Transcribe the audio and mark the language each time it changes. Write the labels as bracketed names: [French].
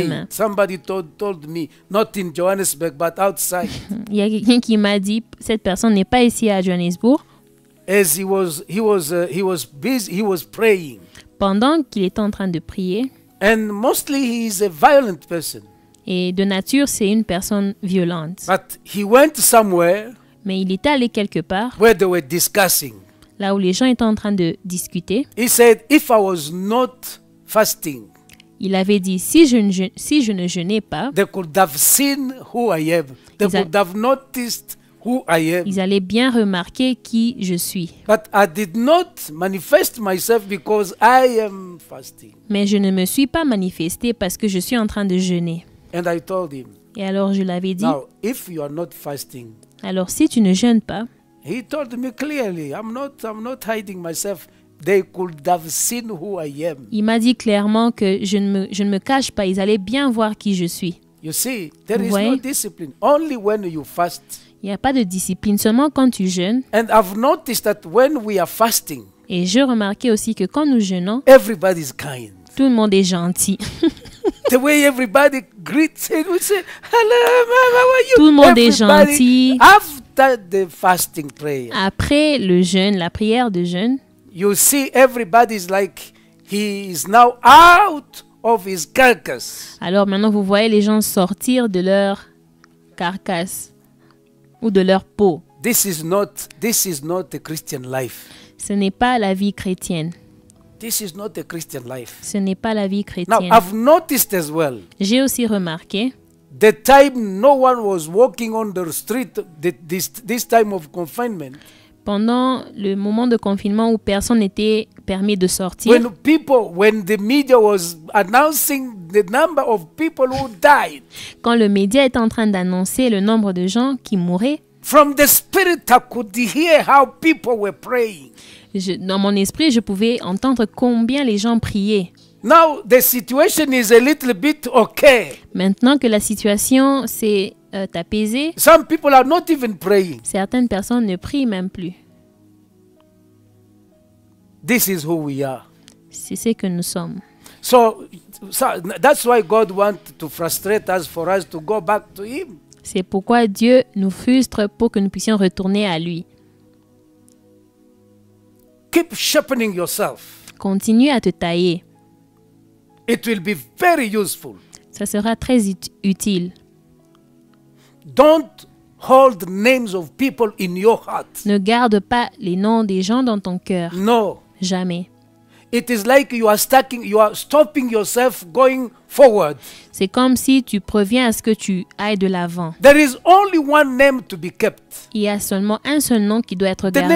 [English] Somebody told me, not in Johannesburg, but outside. [French] Il y a quelqu'un qui m'a dit, cette personne n'est pas ici à Johannesburg. [English] As he was busy, he was praying. [French] Pendant qu'il était en train de prier. [English] And mostly he is a violent person. [French] Et de nature, c'est une personne violente. [English] But he went somewhere. [French] Mais il est allé quelque part. [English] Where they were discussing. [French] Là où les gens étaient en train de discuter. [English] He said, if I was not fasting. [French] Il avait dit, si je ne jeûnais pas, [English] they could have seen who I am. They could have noticed who I am. [French] Ils allaient bien remarquer qui je suis. [English] But I did not manifest myself because I am fasting. [French] Mais je ne me suis pas manifesté parce que je suis en train de jeûner. [English] And I told him, [French] et alors je l'avais dit, [English] now, if you are not fasting, [French] alors si tu ne jeûnes pas, [English] he told me clearly, I'm not hiding myself. They could have seen who I am. [French] Il m'a dit clairement que je ne me cache pas. Ils allaient bien voir qui je suis. [English] You see, there is no discipline. Only when you fast. [French] Il y a pas de discipline seulement quand tu jeûnes. [English] And I've noticed that when we are fasting. [French] Et je remarquais aussi que quand nous jeûnons, [English] everybody is kind. [French] Tout le monde est gentil. [English] The way everybody greets and we say, "Hello, how are you?" [French] Tout le monde [English] everybody [French] est gentil. [English] After the fasting prayer. [French] Après le jeûne, la prière de jeûne. [English] You see, everybody's like he is now out of his carcass. [French] Alors maintenant, vous voyez les gens sortir de leur carcasse ou de leur peau. [English] This is not a Christian life. [French] Ce n'est pas la vie chrétienne. [English] This is not a Christian life. [French] Ce n'est pas la vie chrétienne. [English] Now, I've noticed as well. [French] J'ai aussi remarqué. [English] The time no one was walking on the street this time of confinement. [French] pendant le moment de confinement où personne n'était permis de sortir. [English] When people, when the media was announcing the number of people who died. [French] Quand le média était en train d'annoncer le nombre de gens qui mouraient. [English] From the spirit, I could hear how people were praying. [French] Dans mon esprit, je pouvais entendre combien les gens priaient. [English] Now the situation is a little bit okay. [French] Maintenant que la situation s'est apaisée, [English] some people are not even praying. [French] Certaines personnes ne prient même plus. [English] This is who we are. [French] C'est ce que nous sommes. [English] So that's why God wants to frustrate us for us to go back to Him. [French] C'est pourquoi Dieu nous frustre pour que nous puissions retourner à Lui. [English] Keep sharpening yourself. [French] Continue à te tailler. [English] It will be very useful. [French] Ça sera très utile. [English] Don't hold names of people in your heart. [French] Ne garde pas les noms des gens dans ton cœur. [English] No. [French] Jamais. [English] It is like you are stopping yourself going forward. [French] C'est comme si tu préviens à ce que tu ailles de l'avant. [English] There is only one name to be kept. [French] Il y a seulement un seul nom qui doit être gardé.